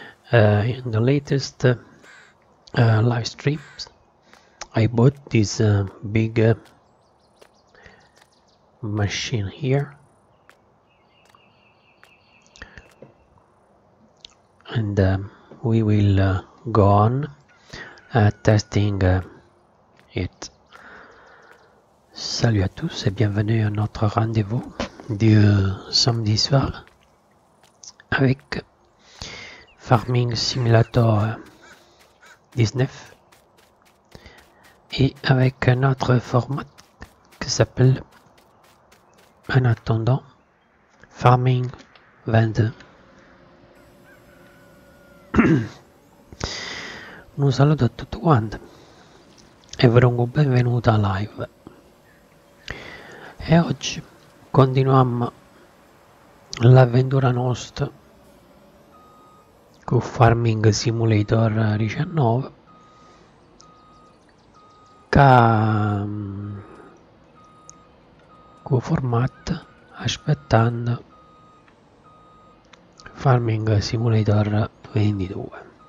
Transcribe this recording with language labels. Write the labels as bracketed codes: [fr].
[en] In the latest live streams, I bought this big machine here, and we will go on testing it. [fr] Salut à tous et bienvenue à notre rendez-vous du samedi soir avec Farming Simulator 19 et avec un autre format qui s'appelle en attendant Farming 22. [it] Un saluto a tutti quanti e vi rongo benvenuta live. E oggi continuiamo l'avventura nostra con Farming Simulator 19, con format aspettando Farming Simulator 22.